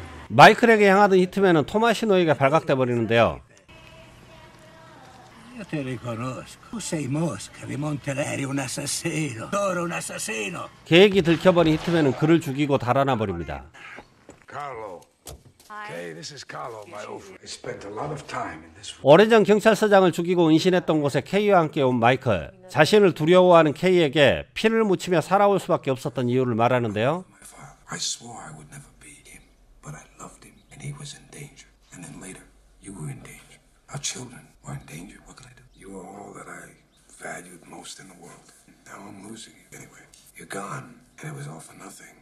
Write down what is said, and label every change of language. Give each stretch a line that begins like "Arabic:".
Korean: Michael에게 향하던 히트맨은 토마시 노이가 발각돼 버리는데요.
Italian: Io te riconosco. Sei Mosca di Monteleri, un assassino. Toro un assassino.
Korean: 계획이 들켜버린 히트맨은 그를 죽이고 달아나 버립니다. Carlo.
English: Hey, this is Carlo, my old friend. I spent a lot of time in this.
Korean: 오래전 경찰서장을 죽이고 은신했던 곳에 K와 함께 온 마이클. 자신을 두려워하는 K에게 피를 묻히며 살아올 수밖에 없었던 이유를 말하는데요.
English: I swore I would never. But I loved him, and he was in danger. And then later, you were in danger. Our children were in danger. What could I do? You were all that I valued most in the world. Now I'm losing you. Anyway, you're gone, and it was all for nothing.